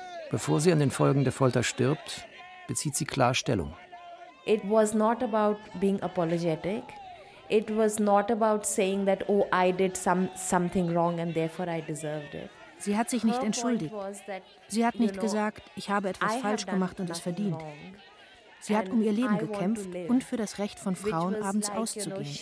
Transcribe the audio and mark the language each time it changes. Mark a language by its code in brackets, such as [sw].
[de] Bevor sie an den Folgen der Folter stirbt, bezieht sie klar Stellung. [en] It was not about being apologetic. It was not about saying that, oh, I did something wrong and therefore I deserved it. [de] Sie hat sich nicht entschuldigt. Sie hat nicht gesagt, ich habe etwas falsch gemacht und es verdient. Sie hat um ihr Leben gekämpft und für das Recht von Frauen, abends auszugehen.